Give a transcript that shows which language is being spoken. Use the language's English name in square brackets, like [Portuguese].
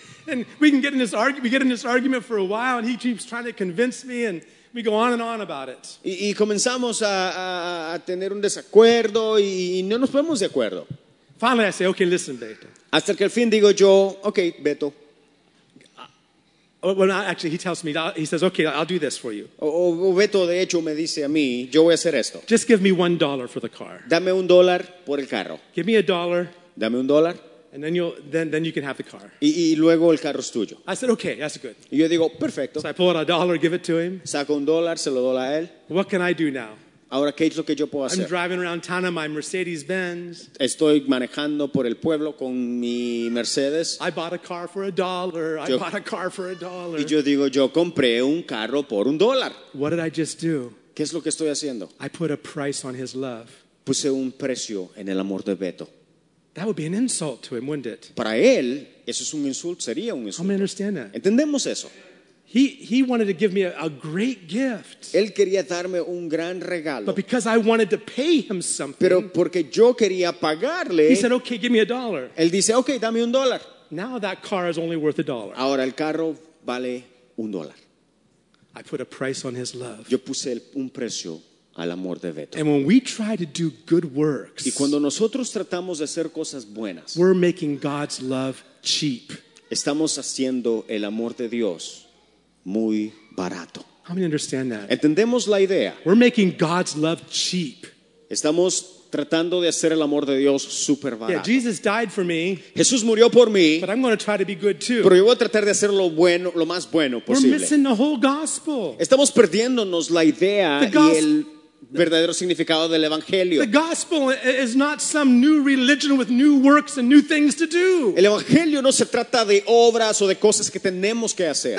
[English] And we can get in this argument. We get in this argument for a while, and he keeps trying to convince me, and we go on and on about it. [Spanish] Y comenzamos a tener un desacuerdo, y no nos ponemos de acuerdo. [English] Finally, I say, "Okay, listen, Beto." [Spanish] Hasta que al fin digo yo, "Okay, Beto." [English] He tells me. He says, "Okay, I'll do this for you." [Spanish] O Beto de hecho me dice a mí, "Yo voy a hacer esto." [English] Just give me $1 for the car. [Spanish] Dame $1 por el carro. [English] Give me a dollar. [Spanish] Dame $1. [English] And then you can have the car. [Spanish] Y luego el carro es tuyo. [English] I said, okay, that's good. [Spanish] Y yo digo, perfecto. [English] So I pull out $1, give it to him. [Spanish] Saco $1, se lo doy a él. [English] What can I do now? [Spanish] Ahora, ¿qué es lo que yo puedo hacer? [English] I'm driving around town in my Mercedes Benz. [Spanish] Estoy manejando por el pueblo con mi Mercedes. [English] I bought a car for $1. Yo, I bought a car for $1. [Spanish] Y yo digo, yo compré un carro por $1. [English] What did I just do? [Spanish] ¿Qué es lo que estoy haciendo? [English] I put a price on his love. [Spanish] Puse un precio en el amor de Beto. [English] That would be an insult to him, wouldn't it? [Spanish] Para él, eso es un insulto, sería un insulto. [English] I don't understand that. [Spanish] Entendemos eso. [English] He wanted to give me a great gift. [Spanish] Él quería darme un gran regalo. [English] But because I wanted to pay him something. [Spanish] Pero porque yo quería pagarle. [English] He said, "Okay, give me a dollar." [Spanish] Él dice, "Okay, dame $1." [English] Now that car is only worth $1. [Spanish] Ahora el carro vale $1. [English] I put a price on his love. [Spanish] Yo puse un precio. Al amor de Beto. [English] And when we try to do good works, [Spanish] y cuando nosotros tratamos de hacer cosas buenas, [English] we're making God's love cheap. [Spanish] Estamos haciendo el amor de Dios muy barato. [English] How many understand that? [Spanish] Entendemos la idea. [English] We're making God's love cheap. [Spanish] Estamos tratando de hacer el amor de Dios super barato. [English] Yeah, Jesus died for me. [Spanish] Jesús murió por mí. [English] But I'm going to try to be good too. [Spanish] Pero yo voy a tratar de hacer lo bueno, lo más bueno posible. [English] We're missing the whole gospel. [Spanish] Estamos perdiéndonos la idea y el verdadero significado del evangelio. [English] The gospel is not some new religion with new works and new things to do. [Spanish] El evangelio no se trata de obras o de cosas que tenemos que hacer.